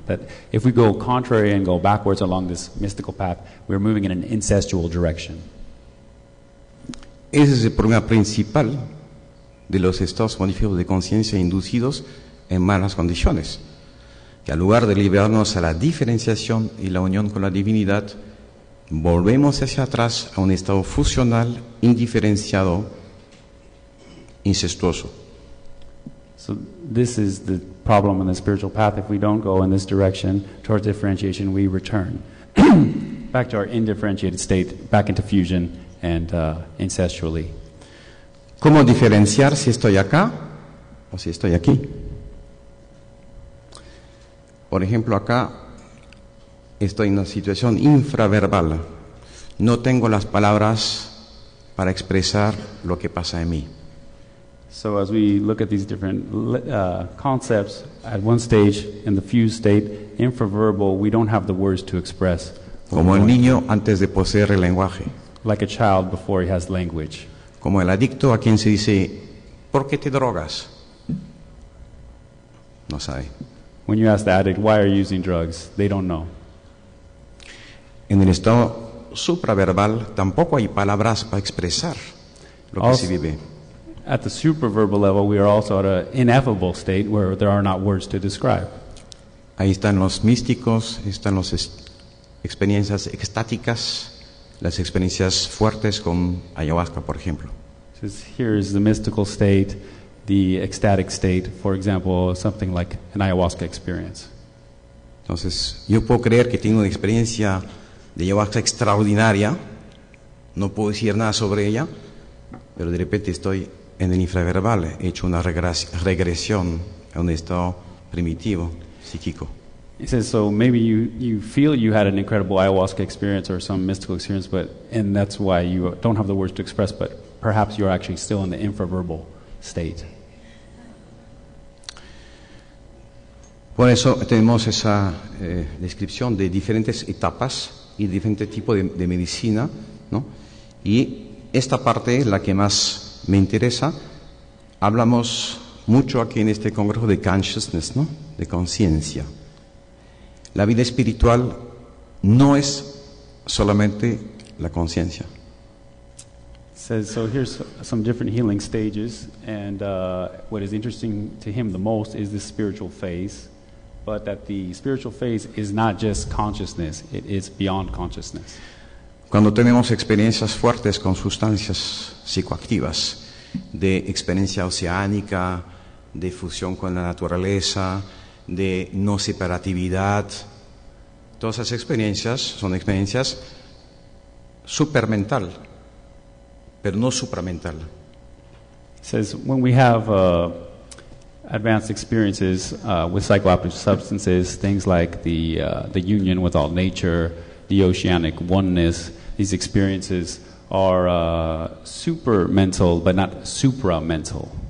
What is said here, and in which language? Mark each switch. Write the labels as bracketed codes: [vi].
[en] That if we go contrary and go backwards along this mystical path, we're moving in an incestual direction. [es] Ese es el problema principal de los estados modificados de conciencia inducidos en malas condiciones. Que al lugar de liberarnos a la diferenciación y la unión con la divinidad, volvemos hacia atrás a un estado fusional, indiferenciado, incestuoso. [en] So this is the problem in the spiritual path. If we don't go in this direction towards differentiation, we return back to our indifferentiated state, back into fusion and incestually. [es] ¿Cómo diferenciar si estoy acá o si estoy aquí? Por ejemplo, acá estoy en una situación infraverbal. No tengo las palabras para expresar lo que pasa en mí. [en] So as we look at these different concepts, at one stage, in the fused state, infraverbal, we don't have the words to express. [es] Como el niño antes de poseer el lenguaje. [en] Like a child before he has language. [es] Como el adicto a quien se dice, ¿por qué te drogas? No sabe. [en] When you ask the addict, why are you using drugs? They don't know. [es] En el estado supraverbal, tampoco hay palabras para expresar lo que se vive. [en] At the superverbal level, we are also at an ineffable state where there are not words to describe. [es] Ahí están los místicos, están las experiencias extáticas, las experiencias fuertes con ayahuasca, por ejemplo. [en] Here is the mystical state, the ecstatic state, for example, something like an ayahuasca experience. [es] Entonces, yo puedo creer que tengo una experiencia de ayahuasca extraordinaria, no puedo decir nada sobre ella, pero de repente estoy en el infraverbal, he hecho una regresión a un estado primitivo, psíquico. [en] He says, so maybe you feel you had an incredible ayahuasca experience or some mystical experience, but and that's why you don't have the words to express, but perhaps you're actually still in the infraverbal state. [es] Por eso tenemos esa descripción de diferentes etapas y diferentes tipos de medicina, ¿no? Y esta parte es la que más me interesa. Hablamos mucho aquí en este congreso de consciousness, ¿no? de conciencia. La vida espiritual no es solamente la conciencia. [en] Says so. Here's some different healing stages, and what is interesting to him the most is the spiritual phase, but that the spiritual phase is not just consciousness; it is beyond consciousness. [es] Cuando tenemos experiencias fuertes con sustancias psicoactivas, de experiencia oceánica, de fusión con la naturaleza, de no separatividad, todas esas experiencias son experiencias supermental. Pero no supramental. [en] It says when we have advanced experiences with psychoactive substances, things like the union with all nature, the oceanic oneness, these experiences are supermental, but not supramental.